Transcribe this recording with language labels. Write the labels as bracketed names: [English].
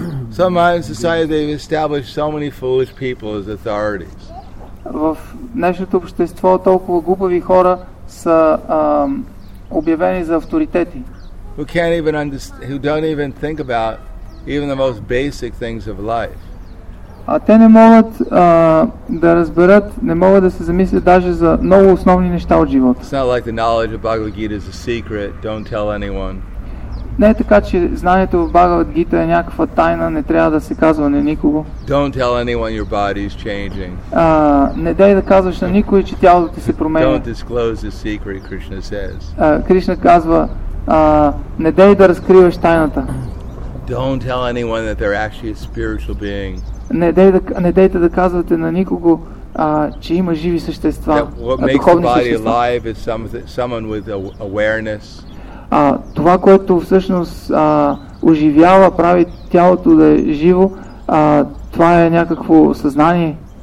[English] Somehow in society they've established so many foolish people as authorities. [Bulgarian] В нашето общество толкова глупави хора са обявени за авторитети. [English] Who can't even understand, who don't even think about even the most basic things of life. [Bulgarian] А те не могат да разберат, не могат да се замислят даже за много основни неща от живота. [English] It's not like the knowledge of Bhagavad Gita is a secret, don't tell anyone. [Bulgarian] Не е така, че знанието в Бхагавад Гита е някаква тайна, не трябва да се казва на никого. [English] Don't tell anyone your body is changing. [Bulgarian] Не дай да казваш на никой, че тялото ти се променя. [English] Don't disclose the secret, Krishna says. [Bulgarian] Кришна казва, не дай да разкриваш тайната. [English] Don't tell anyone that they're actually a spiritual being. [Bulgarian] Не дайте да казвате на никого, че има живи същества, духовни същества. [English] Is someone with awareness. [Bulgarian] Това, което всъщност оживява, прави тялото да е живо, това е някакво съзнание.